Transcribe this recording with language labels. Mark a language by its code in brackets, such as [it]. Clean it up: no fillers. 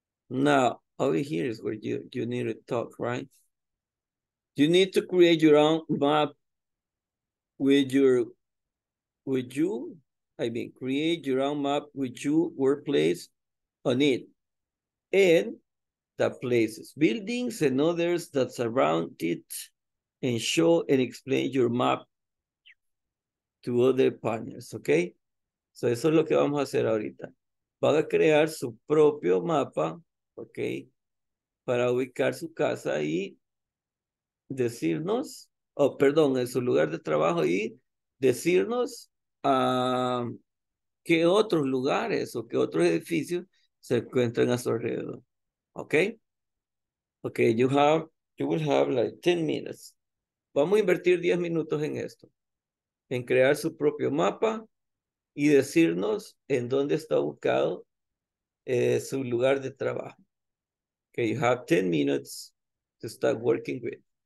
[en] Now, over here is where you need to talk, right? You need to create your own map create your own map with your workplace on it and the places, buildings and others that surround it, and show and explain your map to other partners, okay? [es] So eso es lo que vamos a hacer ahorita. Van a crear su propio mapa, okay, para ubicar su casa y decirnos, en su lugar de trabajo y decirnos qué otros lugares o qué otros edificios se encuentran a su alrededor. Okay? [en] Okay, you will have like 10 minutes. [es] Vamos a invertir 10 minutos en esto, en crear su propio mapa y decirnos en dónde está ubicado su lugar de trabajo. [en] Okay, you have 10 minutes to start working with.